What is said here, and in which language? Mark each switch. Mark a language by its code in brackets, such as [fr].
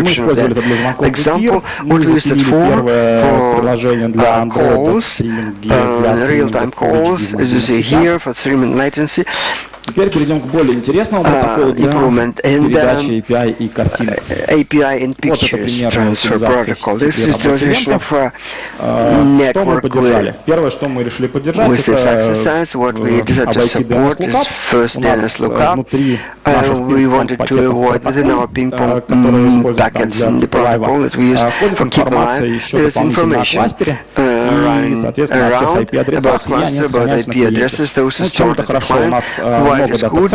[ru] Мы использовали это для звонков в эфир. Мы запилили первое приложение для Android, для стриминга, для [en] Real-time calls, as you see here, for streaming latency. [ru] Теперь перейдем к более интересному протоколу для передачи API и картинок. [en] API and pictures transfer protocol. This is the version of network. [ru] Первое, что мы решили поддержать, это IP [en] DNS lookup. First DNS lookup. We wanted to avoid within our ping-pong packets in the protocol that we use for keep alive. There is information about IP addresses. Those are stored in the client. Why is good?